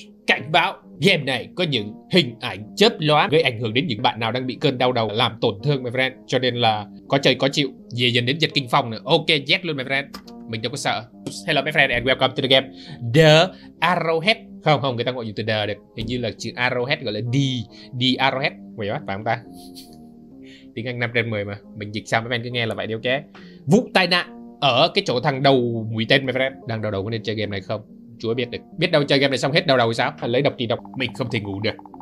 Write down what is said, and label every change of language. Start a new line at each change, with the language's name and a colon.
Vietnamese: Cảnh báo, game này có những hình ảnh chớp lóa gây ảnh hưởng đến những bạn nào đang bị cơn đau đầu làm tổn thương
English: my friend.
Vietnamese: Cho nên là có chơi có chịu, dễ dẫn đến giật kinh phòng nữa.
English: Ok, yes
Vietnamese: luôn
English: my friend.
Vietnamese: Mình đâu có sợ.
English: Hello my friend and welcome to the game The Arrowhead.
Vietnamese: Không, không, người ta gọi dùng từ The được. Hình như là chữ Arrowhead gọi là D. D Arrowhead. Vậy quá, phải không ta? Tiếng Anh 5 trên 10 mà. Mình dịch sao
English: my friend
Vietnamese: cứ nghe là vậy đi ok. Vụ tai nạn ở cái chỗ thằng đầu mũi tên my friend. Đang đau đầu có nên chơi game này không? Chúa biết được. Biết đâu chơi game này xong hết đau đầu sao? Phải lấy độc trị độc. Mình không thể ngủ được.